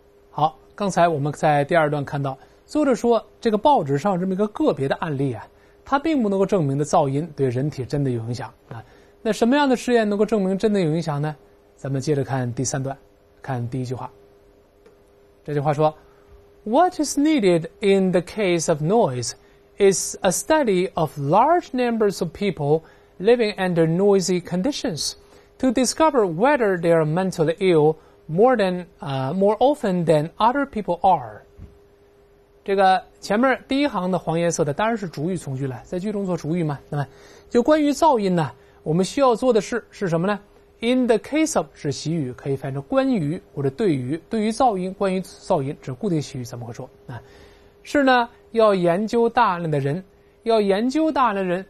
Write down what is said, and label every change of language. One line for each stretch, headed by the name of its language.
Chinese: 好，刚才我们在第二段看到，作者说这个报纸上这么一个个别的案例啊，它并不能够证明的噪音对人体真的有影响啊。那什么样的试验能够证明真的有影响呢？咱们接着看第三段，看第一句话。这句话说
English: ，What is needed in the case of noise is a study of large numbers of people living under noisy conditions to discover whether they are mentally ill. More often than other people are.
Chinese: 这个前面第一行的黄颜色的当然是主语从句了，在句中做主语嘛。那么就关于噪音呢，我们需要做的事是什么呢？ In the case of 是习语，可以翻译成关于或者对于。对于噪音，关于噪音指固定习语怎么会说啊？是呢，要研究大量的人，要研究大量人。